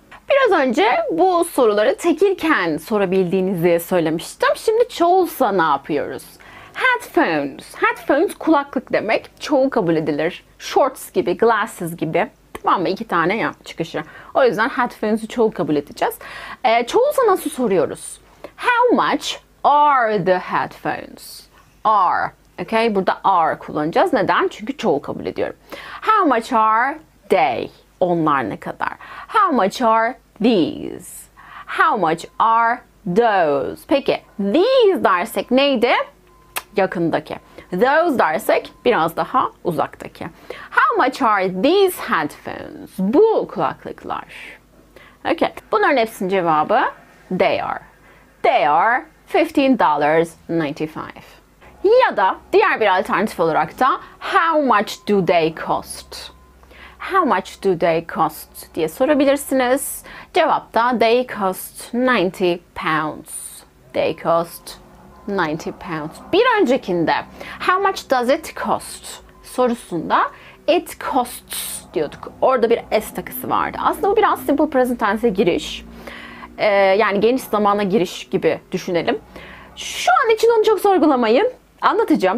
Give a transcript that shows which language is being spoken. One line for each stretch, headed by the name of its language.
Turkish: Biraz önce bu soruları tekilken sorabildiğinizi söylemiştim. Şimdi çoğulsa ne yapıyoruz? Headphones. Headphones kulaklık demek. Çoğul kabul edilir. Shorts gibi, glasses gibi. Tamam mı? İki tane ya çıkışı. O yüzden headphones'u çoğul kabul edeceğiz. Çoğulsa nasıl soruyoruz?
English: How much are the headphones? Are. Okay?
Turkish: Burada are kullanacağız. Neden? Çünkü çoğul kabul ediyorum.
English: How much are they?
Turkish: Onlar ne kadar?
English: How much are these? How much are those?
Turkish: Peki, these dersek neydi? Yakındaki. Those dersek biraz daha uzaktaki.
English: How much are these headphones?
Turkish: Bu kulaklıklar.
English: Okay,
Turkish: bunların hepsinin cevabı
English: they are. They are $15.95.
Turkish: Ya da diğer bir alternatif olarak da
English: how much do they cost? How much do they cost
Turkish: diye sorabilirsiniz. Cevap da
English: they cost 90 pounds. They cost 90 pounds.
Turkish: Bir öncekinde
English: how much does it cost
Turkish: sorusunda
English: it costs
Turkish: diyorduk. Orada bir s takısı vardı. Aslında bu biraz simple present tense'e giriş. Yani geniş zamana giriş gibi düşünelim. Şu an için onu çok sorgulamayın. Anlatacağım.